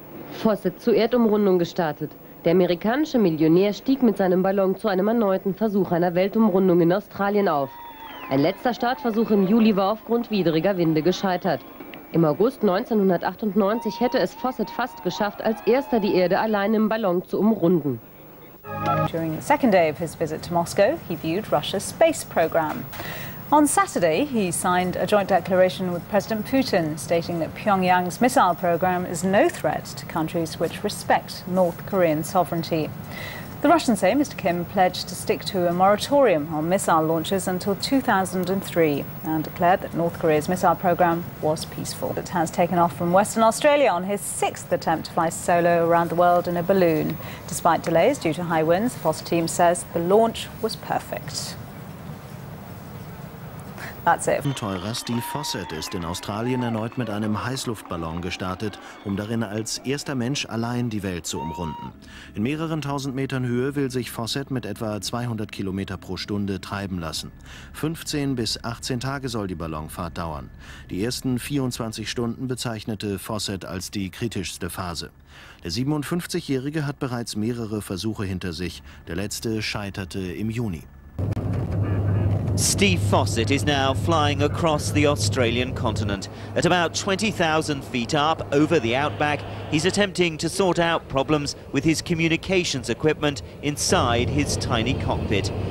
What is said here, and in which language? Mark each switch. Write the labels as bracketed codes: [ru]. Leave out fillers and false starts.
[de] Fawcett zur Erdumrundung gestartet. Der amerikanische Millionär stieg mit seinem Ballon zu einem erneuten Versuch einer Weltumrundung in Australien auf. Ein letzter Startversuch im Juli war aufgrund widriger Winde gescheitert. Im August 1998 hätte es Fawcett fast geschafft, als erster die Erde allein im Ballon zu umrunden. [en] During the second day of his visit to Moscow, he viewed Russia's space program. On Saturday, he signed a joint declaration with President Putin, stating that Pyongyang's missile program is no threat to countries which respect North Korean sovereignty. The Russians say Mr. Kim pledged to stick to a moratorium on missile launches until 2003 and declared that North Korea's missile program was peaceful. It has taken off from Western Australia on his sixth attempt to fly solo around the world in a balloon. Despite delays due to high winds, the Fawcett team says the launch was perfect. That's it. [de] Abenteurer Steve Fawcett ist in Australien erneut mit einem Heißluftballon gestartet, um darin als erster Mensch allein die Welt zu umrunden. In mehreren tausend Metern Höhe will sich Fawcett mit etwa 200 Kilometer pro Stunde treiben lassen. 15 bis 18 Tage soll die Ballonfahrt dauern. Die ersten 24 Stunden bezeichnete Fawcett als die kritischste Phase. Der 57-Jährige hat bereits mehrere Versuche hinter sich. Der letzte scheiterte im Juni. [en] Steve Fawcett is now flying across the Australian continent. At about 20,000 feet up over the outback, he's attempting to sort out problems with his communications equipment inside his tiny cockpit.